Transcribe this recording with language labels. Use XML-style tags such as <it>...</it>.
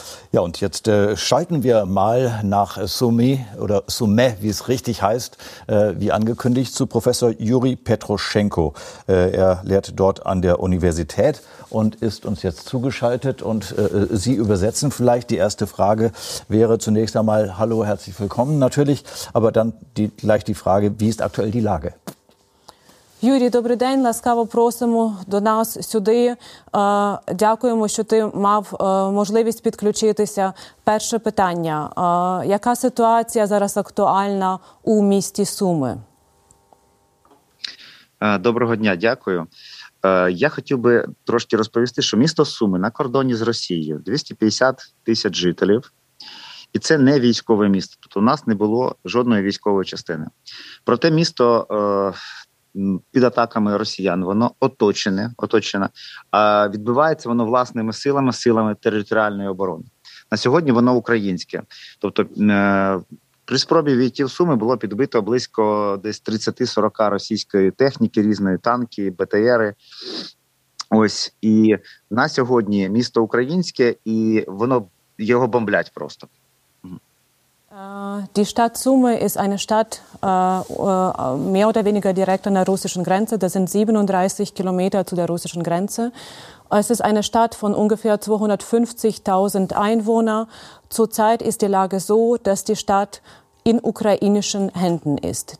<de>Ja, und jetzt schalten wir mal nach Sumé, wie es richtig heißt, wie angekündigt, zu Professor Juri Petroschenko. Er lehrt dort an der Universität und ist uns jetzt zugeschaltet. Und Sie übersetzen vielleicht. Die erste Frage wäre zunächst einmal, hallo, herzlich willkommen natürlich, aber dann gleich die Frage, wie ist aktuell die Lage?</de> <uk>Юрій, добрий день. Ласкаво просимо до нас сюди. Дякуємо, що ти мав можливість підключитися. Перше питання. Яка ситуація зараз актуальна у місті Суми? Доброго дня, дякую. Я хотів би трошки розповісти, що місто Суми на кордоні з Росією. 250 тисяч жителів. І це не військове місто. Тут у нас не було жодної військової частини. Проте місто під атаками росіян, воно оточене, а відбувається воно власними силами, силами територіальної оборони. На сьогодні воно українське. Тобто при спробі війти в Суми було підбито близько десь 30-40 російської техніки, різної танки, БТРи. Ось, і на сьогодні місто українське, і воно його бомблять просто.</uk> <de>Die Stadt Sumy ist eine Stadt mehr oder weniger direkt an der russischen Grenze. Das sind 37 Kilometer zu der russischen Grenze. Es ist eine Stadt von ungefähr 250.000 Einwohnern. Zurzeit ist die Lage so, dass die Stadt in ukrainischen Händen ist.</de>